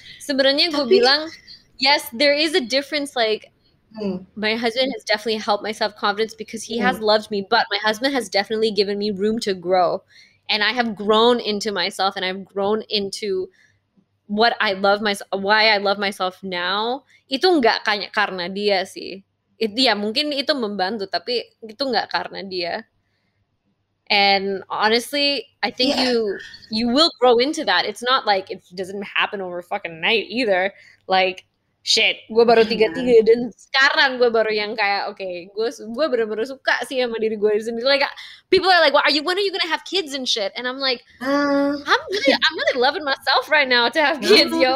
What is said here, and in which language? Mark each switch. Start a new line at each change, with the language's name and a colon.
Indonesian: Sebenarnya gue bilang,
English: yes, there is a difference. Like, my husband has definitely helped my self confidence because he has loved me, but my husband has definitely given me room to grow, and I have grown into myself, and I've grown into what I love myself, why I love myself now.
Indonesian: Itu enggak kayak karena dia sih. Ya mungkin itu membantu, tapi itu enggak karena dia.
English: And honestly, I think you will grow into that. It's not like it doesn't happen over fucking night either. Like, shit,
Indonesian: gue baru 33 dan sekarang gue baru yang kayak, okay, gue bener-bener suka sih sama diri gue sendiri.
English: Like, people are like, when are you gonna have kids and shit? And I'm like, I'm really loving myself right now to have kids, yo.